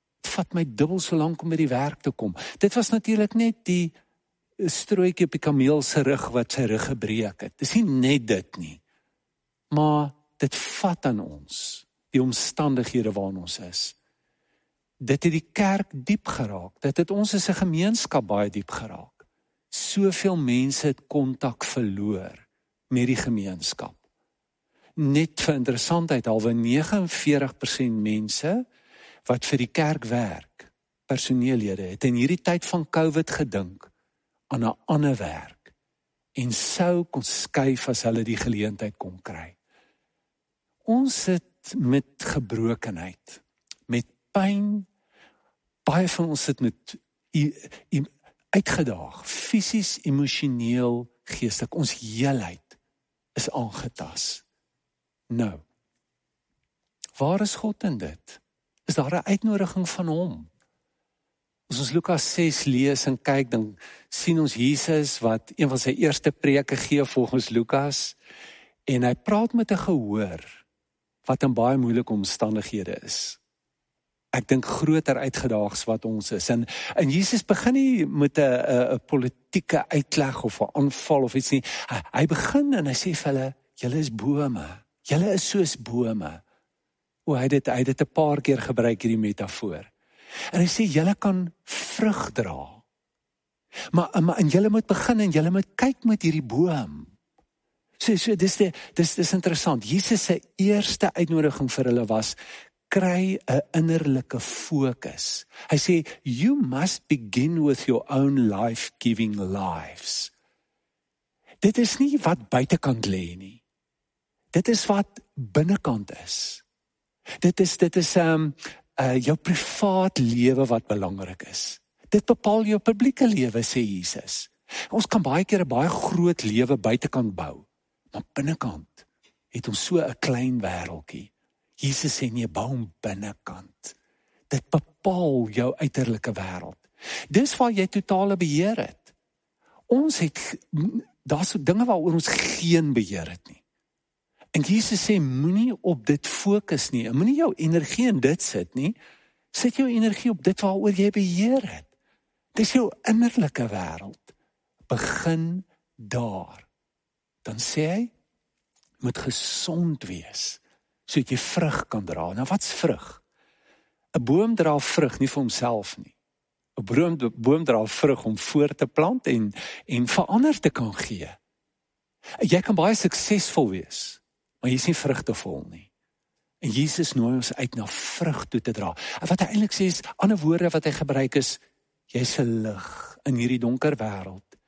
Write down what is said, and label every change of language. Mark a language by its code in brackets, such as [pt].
[af] Het vat my dubbel so lank om by die werk te kom. Dit was natuurlijk net die strooikie op die kameel se rug wat sy rug gebreek het. Dis nie net dit nie. Maar dit vat aan ons, die omstandighede waarin ons is. Dit het die kerk diep geraak. Dit het ons as 'n gemeenskap baie diep geraak. Soveel mense het kontak verloor met die gemeenskap. Net vir interessantheid, alwe 49% mense wat vir die kerk werk, personeellede, het in hierdie tyd van COVID gedink aan 'n ander werk en sou kon skuif as hulle die geleentheid kon kry. Ons sit met gebrokenheid, met pyn. Baie van ons sit met uitgedaag, fisies, emosioneel, geestelik. Ons heelheid is aangetas. Nou, waar is God in dit? Is daar 'n uitnodiging van hom? As ons Lukas 6 lees en kyk, dan sien ons Jesus wat een van sy eerste preke gee volgens Lukas. En hy praat met 'n gehoor wat in baie moeilike omstandighede is. Ek dink groter uitgedaags wat ons is. En Jesus begin nie met 'n politieke uitleg of 'n aanval of iets nie. Hy begin en hy sê vir hulle, julle is bome. Julle is soos bome. O, hy het 'n paar keer gebruik hierdie metafoor. En hy sê, julle kan vrug dra. Maar en julle moet begin en julle moet kyk met hierdie boom. Dis interessant. Jesus se eerste uitnodiging vir hulle was kry 'n innerlike fokus. Hy sê [en] you must begin with your own life-giving lives. [af] Dit is nie wat buitekant lê nie. Dit is wat binnekant is. Dit is jou privaat lewe wat belangrik is. Dit bepaal jou publieke lewe, sê Jesus. Ons kan baie keer 'n baie groot lewe buitekant bou, maar binnekant het ons so 'n klein wêreltjie. Jesus sê nee, bou hom binnekant. Dit bepaal jou uiterlike wêreld. Dis waar jy totale beheer het. Ons het daar's dinge waaroor ons geen beheer het nie. En Jesus sê moenie op dit fokus nie. Moenie jou energie in dit sit nie. Sit jou energie op dit waaroor jy beheer het. Dis jou innerlike wêreld. Begin daar. Dan sê hy moet gesond wees sodat jy vrug kan dra. Nou wat's vrug? 'n Boom dra vrug nie vir homself nie. 'n Boom dra vrug om voort te plant en vir ander te kan gee. Jy kan baie suksesvol wees, maar jy's nie vrugtevol nie. En Jesus nooi ons uit na vrug toe te dra. Wat hy eintlik sê is ander woorde wat hy gebruik is jy's 'n lig in hierdie donker wêreld.